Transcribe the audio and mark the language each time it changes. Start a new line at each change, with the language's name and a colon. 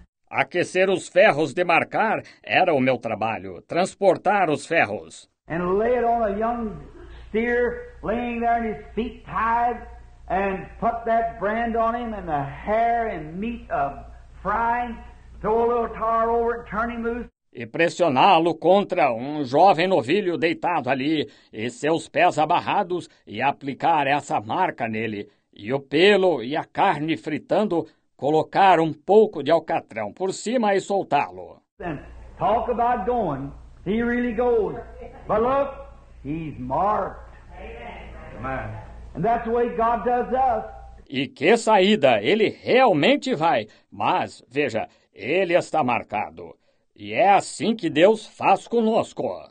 Portuguese: Aquecer os ferros de marcar era o meu trabalho, transportar os ferros.
English: And lay it on a young steer laying there and his feet tied, and put that brand on him and the hair and meat of frying, throw a little tar over it, turn him loose. E pressioná-lo contra um jovem novilho deitado ali, e seus pés amarrados, e aplicar essa marca nele, e o pelo e a carne fritando, colocar um pouco de alcatrão por cima e soltá-lo. And talk about going, he really goes. But look, he's marked. Amen. And that's the way God does us.
Portuguese: E que saída, ele realmente vai, mas, veja, ele está marcado. E é assim que Deus faz conosco.